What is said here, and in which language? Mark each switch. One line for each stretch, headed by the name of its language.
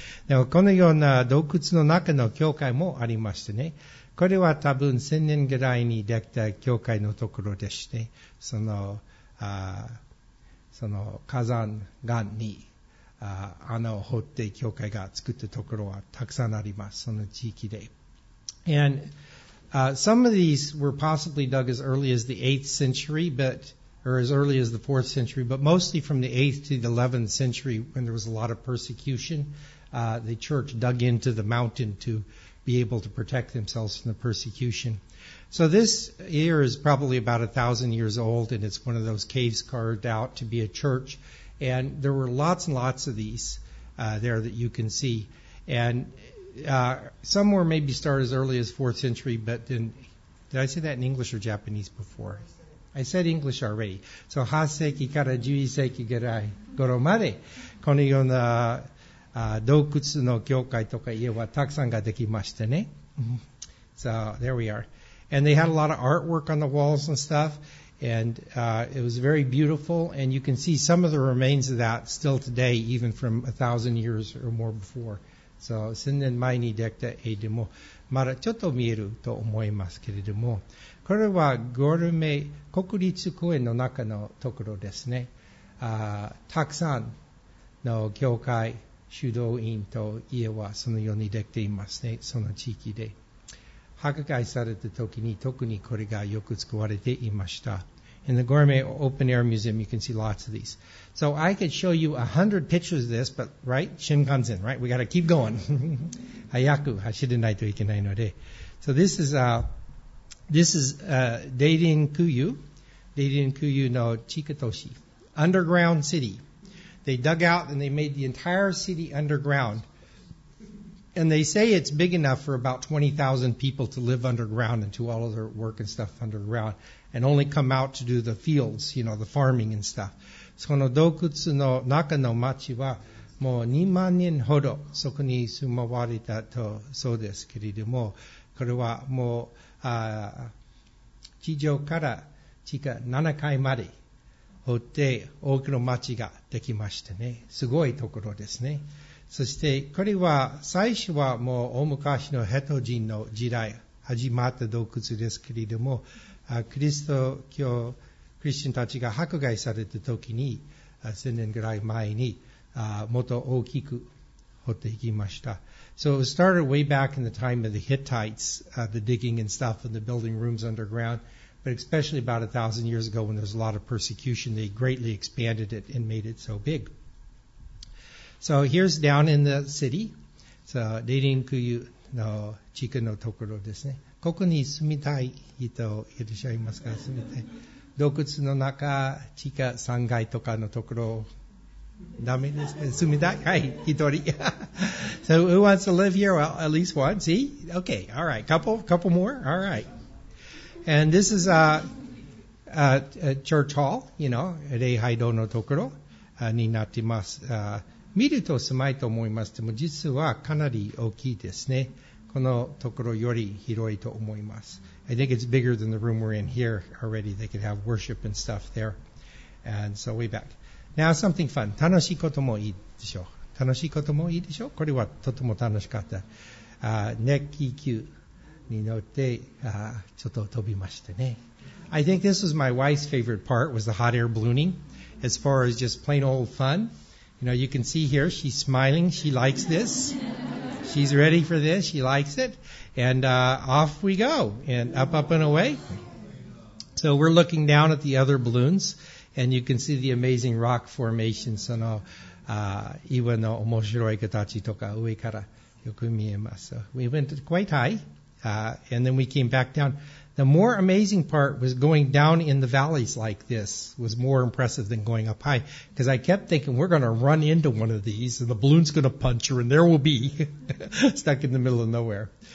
Japanese: でもこのような洞窟の中の教会もありましてね、これは多分1000年ぐらいにできた教会のところでして、その火山岩に穴を掘って教会が作ったところはたくさんあります、その地域で。
English: AndSome of these were possibly dug as early as the 8th century, but, or as early as the 4th century, but mostly from the 8th to the 11th century when there was a lot of persecution. The church dug into the mountain to be able to protect themselves from the persecution. So this here is probably about 1,000 years old, and it's one of those caves carved out to be a church. And there were lots and lots of these there that you can see. Andsome were maybe started as early as 4th century, but then, did I say that in English or Japanese before? I said English already.
Japanese: So, 8世紀から11世紀ぐらい頃まで、このような洞窟の教会とか家はたくさんができましたね。
English: So, there we are. And they had a lot of artwork on the walls and stuff, and it was very beautiful, and you can see some of the remains of that still today, even from 1,000 years or more before.
Japanese: So, 1000年前にできた絵でもまだちょっと見えると思いますけれども、これはゴルメ国立公園の中のところですね。たくさんの教会修道院と家はそのようにできていますね、その地域で。迫害された時に特にこれがよく使われていました。
English: In the Gourmet Open Air Museum, you can see lots of these. So I could show you 100 pictures of this, but right, Shinkansen, right? We got to keep going.
Japanese: 早く走らないといけないので。
English: So this is Deirin-kuyu. Deirin-kuyu no Chikatoshi. Underground city. They dug out and they made the entire city underground. And they say it's big enough for about 20,000 people to live underground and do all of their work and stuff underground. And only come out to do the fields, you know, the farming and stuff.
Japanese: So, この洞窟の中の町はもう2万人ほどそこに住まわれたとそうですけれども、これはもう地上から地下7階まで掘って多くの町ができましたね。すごいところですね。そして、これは最初はもう大昔のヘト人の時代始まった洞窟ですけれども、クリスト教クリスチャンたちが迫害された時に1000年ぐらい前にもっと大きく掘っていきました。
English: So it started way back in the time of the Hittites, the digging and stuff and the building rooms underground, but especially about 1,000 years ago when there was a lot of persecution, they greatly expanded it and made it so big. So here's down in the city. So Deirin-kuyu の地区のところですね。
Japanese: ここに住みたい人いらっしゃいますか？住みたい。洞窟の中、地下3階とかのところ、ダメですね。
English: 住みたい。はい、一人。 So, who wants to live here? Well, at least one. See? Okay, all right. Couple more? All right. And this is a church hall, you know, 礼拝堂のところになっています。
Japanese: 見ると狭いと思いますけども、実はかなり大きいですね。このところより広いと思います。
English: I think it's bigger than the room we're in here already. They could have worship and stuff there. And so way back. Now something fun.
Japanese: 楽しいこともいいでしょう。楽しいこともいいでしょう。これはとても楽しかった。ネッキー級に乗ってちょっと飛びましたね。
English: I think this was my wife's favorite part, was the hot air ballooning. As far as just plain old fun. You know, you can see here, she's smiling. She likes this. She's ready for this. She likes it. And off we go. And up, up and away. So we're looking down at the other balloons. And you can see the amazing rock formation.
Japanese: その岩の面白い形とか上からよく見えます。
English: So we went quite high. And then we came back down. The more amazing part was going down in the valleys like this was more impressive than going up high. Because I kept thinking, we're going to run into one of these and the balloon's going to punch her and there we'll be stuck in the middle of nowhere.